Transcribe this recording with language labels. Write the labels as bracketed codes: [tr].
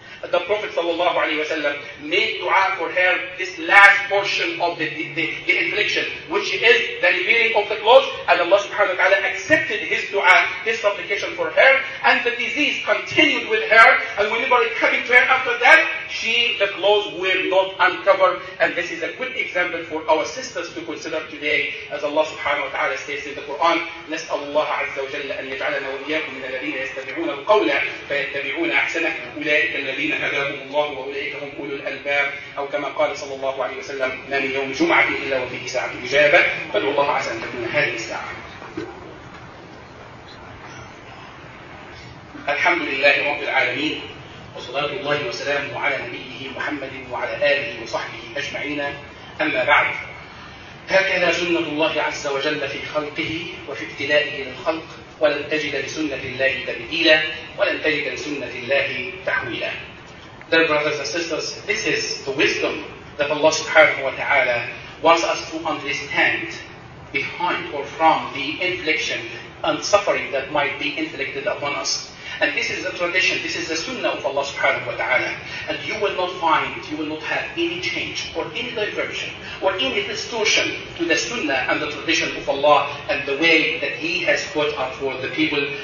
[en] The Prophet sallallahu alaihi wasallam made dua for her this last portion of the affliction, which is the revealing of the clothes, and Allah subhanahu wa ta'ala accepted his dua, his supplication for her, and the disease continued with her, and whenever it came to her after that, the clothes were not uncovered. And this is a good example for our sisters to consider today, as Allah subhanahu wa ta'ala states in the Quran, [ar] نسأل الله عز وجل أن يجعلنا وإياكم من الذين يستمعون القول فيتبعون أحسنه أولئك الذين هداهم الله وأولئك هم أولو الألباب. أو كما قال صلى الله عليه وسلم, ما من يوم جمعة إلا وفيه ساعة إجابة, فادعو الله عسى أن تكون هذه الساعة. الحمد لله رب العالمين, وصلاة الله وسلامه على نبيه محمد وعلى آله وصحبه أجمعين. أما بعد, هكذا سنة الله عز وجل في خلقه وفي ابتلائه للخلق, ولن تجد لسنة الله تبديلا ولن تجد لسنة الله تحويلا. [en] Dear brothers and sisters, this is the wisdom that Allah subhanahu wa ta'ala wants us to understand behind or from the infliction and suffering that might be inflicted upon us. And this is a tradition, this is the sunnah of Allah subhanahu wa ta'ala. And you will not find, you will not have any change or any diversion or any distortion to the sunnah and the tradition of Allah and the way that He has put up for the people.